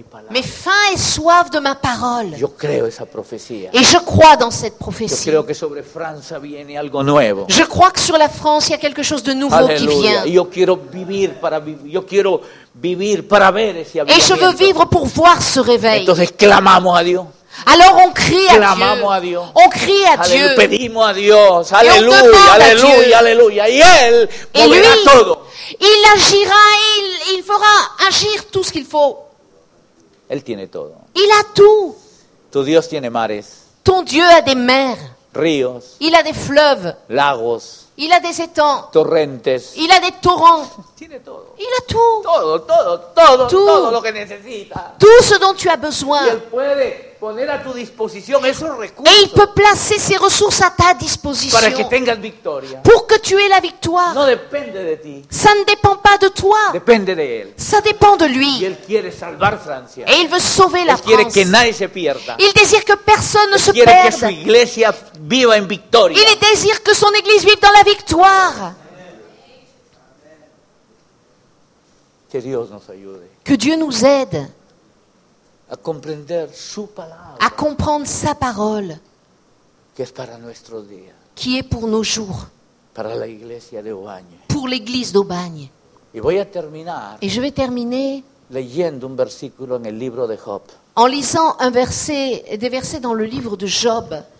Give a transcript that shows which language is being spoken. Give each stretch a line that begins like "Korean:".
French: Mais faim et soif de ma parole.
Spanish: Yo creo esa profecía.
French: Et je crois dans cette prophétie.
Spanish: Yo creo que sobre Francia viene algo nuevo.
French: Je crois que sur la France, il y a quelque chose de nouveau.
Spanish: Aleluya.
French: Qui vient.
Spanish: Yo quiero vivir para yo quiero vivir para ver ese avivamiento.
French: Et je veux vivre pour voir ce réveil.
Spanish: Entonces clamamos a Dios.
French: Alors on crie à
Spanish: clamamos
French: Dieu.
Spanish: A Dios.
French: On crie à
Spanish: aleluya. Pedimos a Dios. Aleluya, aleluya, aleluya. Y él moverá todo.
French: Il agira, il fera agir tout ce qu'il faut.
Spanish: Él tiene todo.
French: Il a tout.
Spanish: Tu Dios tiene mares.
French: Ton Dieu a des mers.
Spanish: Ríos.
French: Il a des fleuves.
Spanish: Lagos.
French: Il a des étangs.
Spanish: Torrentes.
French: Il a des torrents.
Spanish: Tiene todo.
French: Il a tout.
Spanish: Todo, todo, todo, tout. Todo lo que necesita.
French: Tout ce dont tu as besoin.
Spanish: Y él puede poner a tu disposición esos recursos.
French: Et il peut placer ses ressources à ta disposition.
Spanish: Para que tengas victoria.
French: Pour que tu aies la victoire.
Spanish: No depende de ti.
French: Ça ne dépend pas de toi.
Spanish: Depende de él.
French: Ça dépend de lui.
Spanish: Y él quiere salvar Francia.
French: Et il veut sauver la
Spanish: quiere
French: France.
Spanish: Que nadie se pierda.
French: Il désire que personne ne se
Spanish: quiere
French: perde.
Spanish: Que su iglesia viva en victoria.
French: Il désire que son église vive dans la victoire.
Spanish: Que Dios nos ayude.
French: Que Dieu nous aide.
Spanish: A comprender su palabra.
French: À comprendre sa parole.
Spanish: Que es para nuestros días.
French: Qui est pour nos jours.
Spanish: Para la iglesia de Obaña.
French: Pour l'église d'Aubagne.
Spanish: Y voy a terminar.
French: Et je vais terminer.
Spanish: Leyendo un versículo en el libro de Job.
French: En lisant un verset, des versets dans le livre de Job.